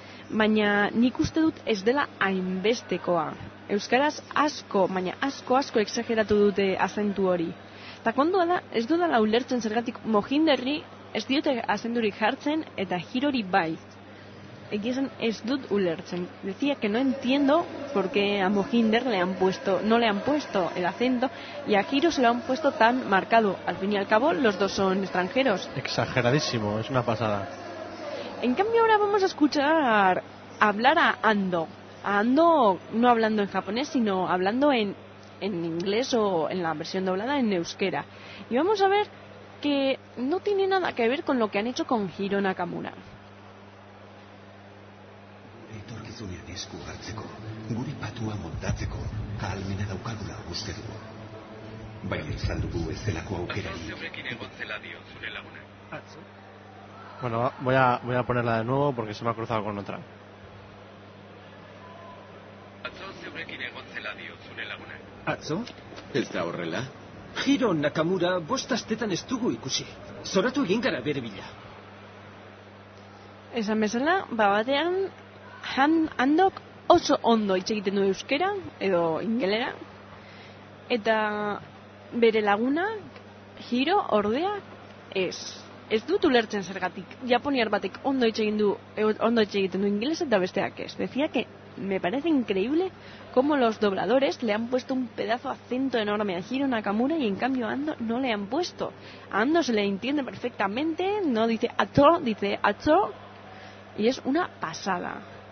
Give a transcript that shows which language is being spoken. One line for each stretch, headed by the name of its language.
Basque: Baina nik uste dut ez dela hainbestekoa. Euskaraz asko, baina asko exageratu dute azentu hori. Ta kontua da, ez dudala ulertzen zergatik Mohinderri ez diote azendurik jartzen eta Hirori bai. Egizan ez dut ulertzen.
Spanish: Decía que no entiendo por qué a Mohinder no le han puesto el acento y a Hiro se lo han puesto tan marcado. Al fin y al cabo, los dos son extranjeros. Exageradísimo, es una pasada. En cambio, ahora vamos a escuchar hablar a Ando. A Ando no hablando en japonés, sino hablando en inglés o en la versión doblada en euskera. Y vamos a ver que no tiene nada que ver con lo que han hecho con Hiro Nakamura.
Basque: Etorkizunean esku hartzeko, gure patua moldatzeko, ahalmena daukagula uste dugu. Baina izan dugu ez delako aukerarik.
Spanish: Bueno, voy a ponerla de nuevo porque se me ha cruzado con otra.
Basque: Atzo? Ez da horrela. Hiro Nakamura bostastetan ez dugu ikusi. Zoratu egin gara bere bila. Esan bezala, babatean, handok oso ondo hitz egiten du euskera, edo ingelera. Eta bere laguna, Hiro, ordea, ez. Ez dut ulertzen zergatik. Japoniar batek ondo hitz egin du, ondo hitz egiten du ingelesa eta besteak ez.
Spanish: Decía que me parece increíble cómo los dobladores le han puesto un pedazo de acento enorme a Hiro Nakamura y en cambio a Ando no le han puesto. A Ando se le entiende perfectamente, no dice ato, dice acho, y es una pasada.